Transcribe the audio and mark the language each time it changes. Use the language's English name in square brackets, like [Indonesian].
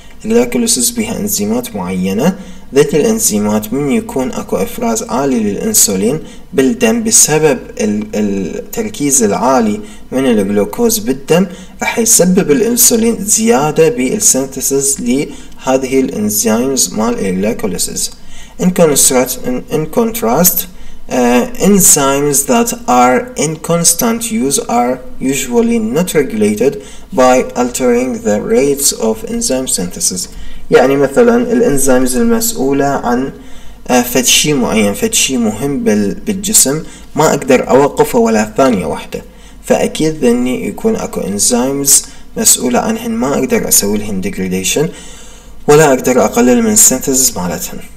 [Arabic] الجلايكوليسيس بها انزيمات معينة، ذات الانزيمات من يكون اكو افراز عالي للانسولين بالدم بسبب التركيز العالي من الجلوكوز بالدم، راح يسبب الانسولين زيادة بالسينثيسز لهذه الانزيمز مال الجلايكوليسيس. [English] In contrast enzymes that are in constant use are usually not regulated by altering the rates of enzyme synthesis. [Arabic] يعني مثلا الانزيمز المسؤولة عن فد شيء معين، فد شيء مهم بالجسم، ما اقدر اوقفه ولا ثانية واحدة، فاكيد ذني يكون اكو انزيمز مسؤولة عنهن ما اقدر اسوي لهن degradation ولا اقدر اقلل من synthesis مالتهن.